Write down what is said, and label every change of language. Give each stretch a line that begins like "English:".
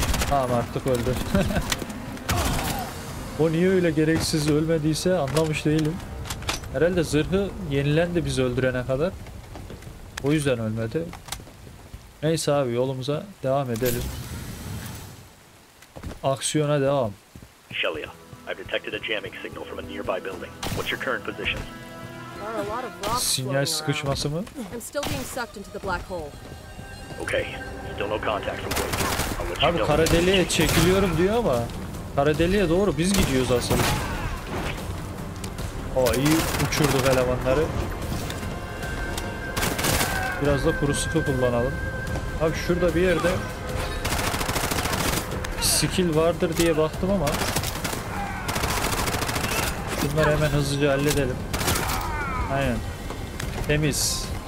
Turkish: Tamam artık öldü. O niye öyle gereksiz ölmediyse anlamış değilim. Herhalde zırhı yenilendi bizi öldürene kadar. O yüzden ölmedi. Neyse abi yolumuza devam edelim. Aksiyona devam.
English: Shelia, I've detected a jamming signal from a nearby building. What's your current position?
Turkish: Sinyal sıkışması mı?
English: I'm still being sucked into the black hole. Okay, still no contact from Blake.
Turkish: Abi kara deliğe çekiliyorum diyor ama kara deliğe doğru biz gidiyoruz aslında. Oo iyi uçurduk elemanları. Biraz da kuru sıkı kullanalım. Abi şurada bir yerde skill vardır diye baktım ama bunları hemen hızlıca halledelim. Aynen. Temiz.